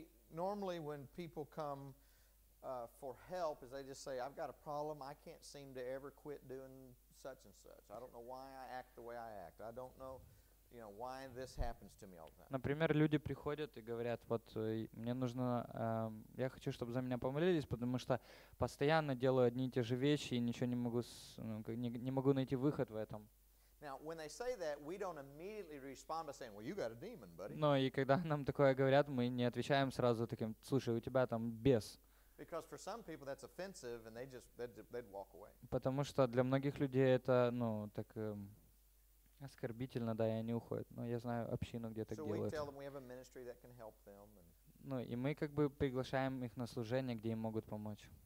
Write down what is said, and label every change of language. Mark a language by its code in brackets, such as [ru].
[en] Normally, when people come for help, is they just say, I've got a problem, I can't seem to ever quit doing such and such. I don't know why I act the way I act. I don't know, you know, why this happens to me all the time. [ru] Например, люди приходят и говорят, вот мне нужно, я хочу, чтобы за меня помолились, потому что постоянно делаю одни и те же вещи и ничего не могу, не могу найти выход в этом. [en] Now, when they say that, we don't immediately respond by saying, "Well, you got a demon, buddy." [ru] Но и когда нам такое говорят, мы не отвечаем сразу таким: "Слушай, у тебя там бес." [en] Because for some people that's offensive, and they just they'd walk away. [ru] Потому что для многих людей это, ну, так оскорбительно, да, и они уходят. Но я знаю общину, где так делают. [en] So we tell them we have a ministry that can help them. [ru] Ну и мы как бы приглашаем их на служение, где им могут помочь.